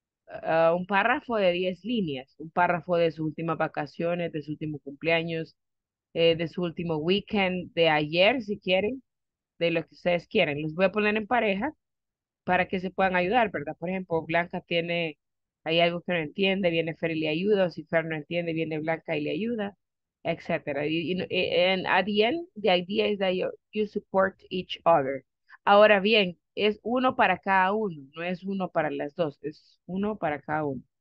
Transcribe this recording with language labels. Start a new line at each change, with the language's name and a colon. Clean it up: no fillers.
Spanish: Un párrafo de 10 líneas, un párrafo de sus últimas vacaciones, de su último cumpleaños, de su último weekend, de ayer, si quieren, de lo que ustedes quieren. Los voy a poner en pareja para que se puedan ayudar, ¿verdad? Por ejemplo, Blanca tiene, hay algo que no entiende, viene Fer y le ayuda, o si Fer no entiende, viene Blanca y le ayuda, etcétera.
English: And at the end, the idea is that you support each other.
Spanish: Ahora bien, es uno para cada uno, no es uno para las dos, es uno para cada uno.